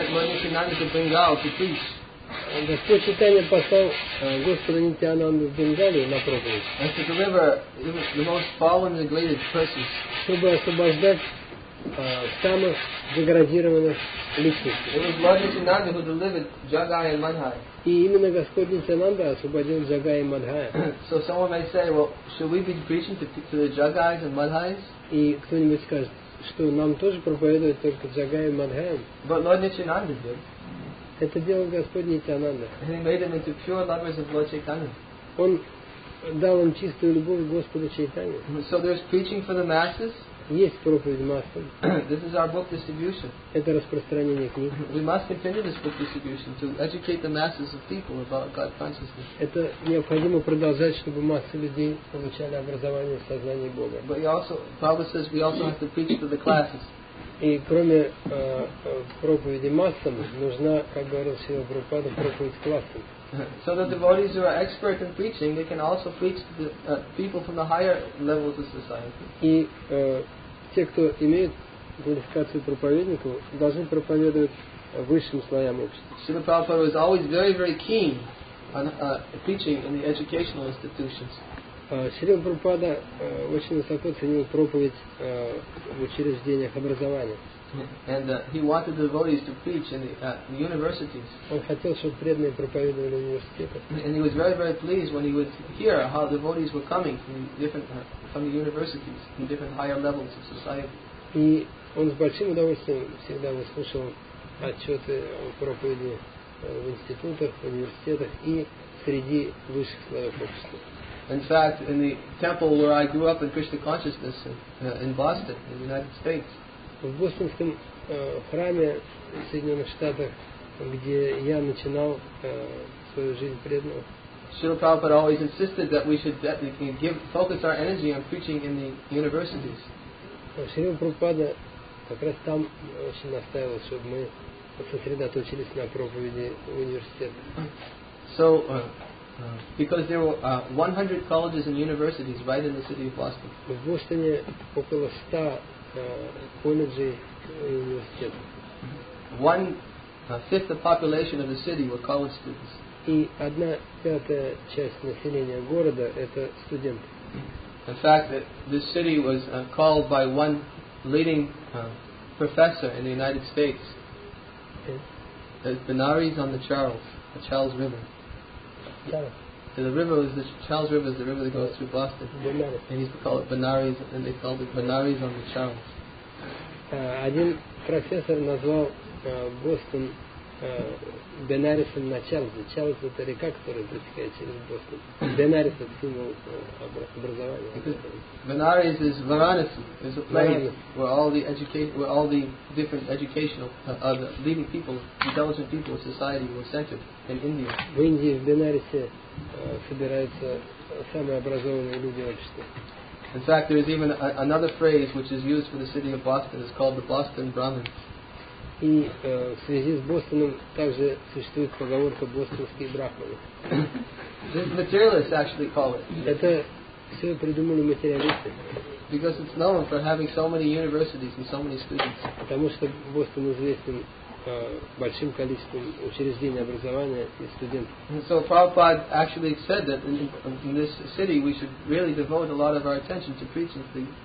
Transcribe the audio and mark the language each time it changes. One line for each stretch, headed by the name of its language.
Russian: Господь Чайтанья послал Господа Нитянанду в Бенгалию на проповедь, чтобы освобождать самых деградированных личностей. И именно Господь Нитянанда освободил Джагая и Мадхая.
English: So someone may say, well, should we be preaching to the Jagais and Madhais?
Russian: И кто-нибудь скажет, что нам тоже проповедуют только Джагая и Мадхая.
English: But Lord Nityananda did.
Russian: Это делал Господь Нитянанда.
English: And he made them into pure lovers of Lord Chaitanya.
Russian: Он дал им чистую любовь Господу Чайтанье.
English: So there's preaching for the masses.
Russian: Есть проповедь массам.
English: This is our book distribution.
Russian: Это распространение книг.
English: We must continue this book distribution to educate the masses of people about God consciousness.
Russian: Это необходимо продолжать, чтобы массы людей получали образование в сознании Бога.
English: But also, Prabhupada says we also have to preach to the classes.
Russian: И кроме проповеди массам, нужна, как говорил Шрила Прабхупада, проповедь классам.
English: So the devotees who are expert in preaching, they can also preach to the people from the higher levels of society.
Russian: И те, кто имеют квалификацию проповедника, должны проповедовать высшим слоям общества.
English: Srila Prabhupada was always very, very keen on preaching in the educational institutions.
Russian: Srila Prabhupada очень высоко ценил проповедь в учреждениях образования.
English: And he wanted the devotees to preach in the universities.
Russian: Он хотел, чтобы преданные проповедовали в университетах.
English: And he was very, very pleased when he would hear how the devotees were coming from different from the universities, from different higher levels of society.
Russian: И он с большим удовольствием всегда выслушивал отчеты о проповеди в институтах, в университетах и среди высших слоев общества.
English: In fact, in the temple where I grew up in Krishna consciousness in Boston, in the United States.
Russian: в Бостонском храме в Соединенных Штатах, где я начинал свою жизнь преданного.
English: Srila Prabhupada always insisted that we should focus our energy on preaching in the universities.
Russian: Srila Prabhupada как раз там очень настаивал, чтобы мы сосредоточились на проповеди в университетах.
English: So, because there were 100 colleges and universities right in the city of Boston.
Russian: В Бостоне около 100 колледжей и университетов.
English: One fifth the population of the city were college students. И одна пятая часть населения города — это студенты. In fact, this city was called by one leading professor in the United States. Benares on the Charles River. The river is the Charles River is the river that goes through Boston. Benares. And he's called Benares, and they called it Benares on the Charles.
Russian: Один профессор назвал Бостон Бенарисом на Чарльзе. Чарльз — это река, которая протекает через Бостон. Бенарис — это символ образования.
English: Бенарис is Varanasi. It's a place where all the different educational, the leading people, intelligent people of society were centered in India.
Russian: В Индии, в Бенарисе, собираются самые образованные люди общества.
English: In fact, there is even another phrase which is used for the city of Boston. It's called the Boston Brahmins.
Russian: И в связи с Бостоном также существует поговорка «бостонские брахманы».
English: Materialists actually call it.
Russian: Это все придумали материалисты.
English: Because it's known for having so many universities and so many students.
Russian: Потому что Бостон известен большим количеством учреждений образования и студентов.
English: So Prabhupada actually said that in this city we should really devote a lot of our attention to preaching to the